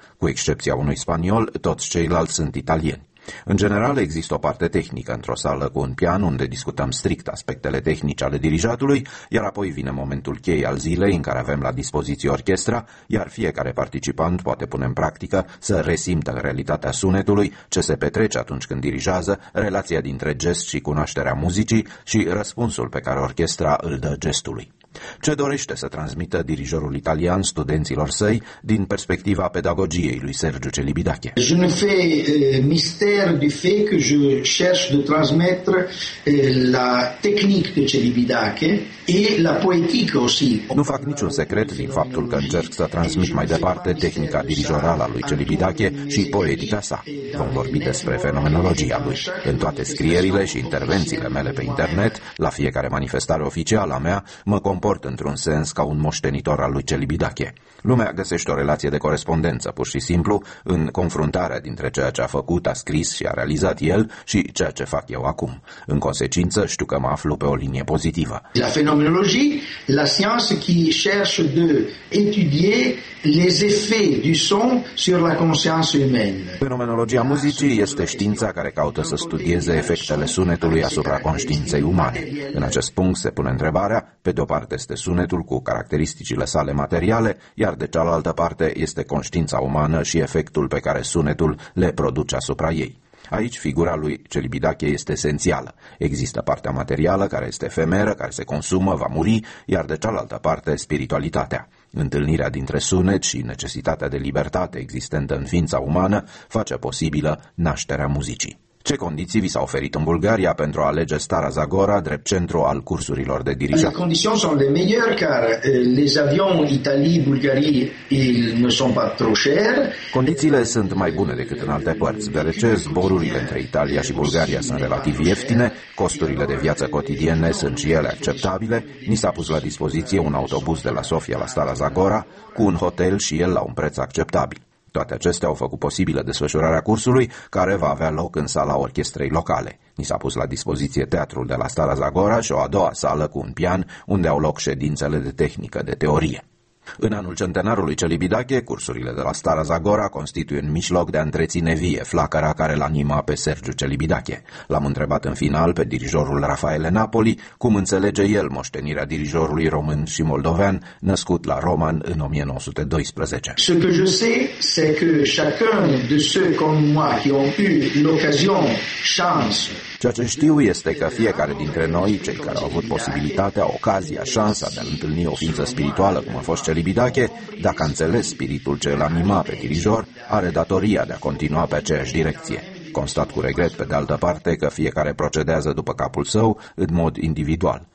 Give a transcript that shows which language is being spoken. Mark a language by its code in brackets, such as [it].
[ro] Cu excepția unui spaniol, toți ceilalți sunt italieni. În general, există o parte tehnică într-o sală cu un pian unde discutăm strict aspectele tehnice ale dirijatului, iar apoi vine momentul cheie al zilei în care avem la dispoziție orchestra, iar fiecare participant poate pune în practică să resimtă realitatea sunetului, ce se petrece atunci când dirijează, relația dintre gest și cunoașterea muzicii și răspunsul pe care orchestra îl dă gestului. Ce dorește să transmită dirijorul italian studenților săi din perspectiva pedagogiei lui Sergiu Celibidache? [fr] Je ne fais mystère du fait que je cherche de transmettre la technique de Celibidache et la poétique aussi. [ro] Nu fac niciun secret din faptul că încerc să transmit mai departe tehnica dirijorală a lui Celibidache și poetica sa. Vom vorbi despre fenomenologia lui. În toate scrierile și intervențiile mele pe internet, la fiecare manifestare oficială a mea, mă comport într-un sens ca un moștenitor al lui Celibidache. Lumea găsește o relație de corespondență, pur și simplu, în confruntarea dintre ceea ce a făcut, a scris și a realizat el și ceea ce fac eu acum. În consecință, știu că mă aflu pe o linie pozitivă. [fr] La fenomenologie, la science qui cherche de étudier les effets du son sur la conscience humaine. [ro] Fenomenologia muzicii este știința care caută să studieze efectele sunetului asupra conștiinței umane. În acest punct se pune întrebarea, pe de o parte este sunetul cu caracteristicile sale materiale, iar de cealaltă parte este conștiința umană și efectul pe care sunetul le produce asupra ei. Aici figura lui Celibidache este esențială. Există partea materială care este efemeră, care se consumă, va muri, iar de cealaltă parte spiritualitatea. Întâlnirea dintre sunet și necesitatea de libertate existentă în ființa umană face posibilă nașterea muzicii. Ce condiții vi s-au oferit în Bulgaria pentru a alege Stara Zagora drept centru al cursurilor de dirijat? [fr] Les conditions sont les meilleures car les avions Italie-Bulgarie ne sont pas trop chers. [ro] Condițiile sunt mai bune decât în alte părți, deoarece zborurile între Italia și Bulgaria sunt relativ ieftine, costurile de viață cotidiene sunt și ele acceptabile, ni s-a pus la dispoziție un autobuz de la Sofia la Stara Zagora cu un hotel și el la un preț acceptabil. Toate acestea au făcut posibilă desfășurarea cursului, care va avea loc în sala orchestrei locale. Ni s-a pus la dispoziție teatrul de la Stara Zagora și o a doua sală cu un pian, unde au loc ședințele de tehnică de teorie. În anul centenarului Celibidache, cursurile de la Stara Zagora constituie un mijloc de a întreține vie flacăra care l-anima pe Sergiu Celibidache. L-am întrebat în final pe dirijorul Rafaele Napoli cum înțelege el moștenirea dirijorului român și moldovean născut la Roman în 1912. [fr] Ce que je sais, c'est que chacun de ceux comme moi qui ont eu l'occasion, chance. [ro] Ceea ce știu este că fiecare dintre noi, cei care au avut posibilitatea, ocazia, șansa de a întâlni o ființă spirituală cum a fost Celibidache, dacă a înțeles spiritul ce l-anima pe dirijor, are datoria de a continua pe aceeași direcție. Constat cu regret, pe de altă parte, că fiecare procedează după capul său în mod individual.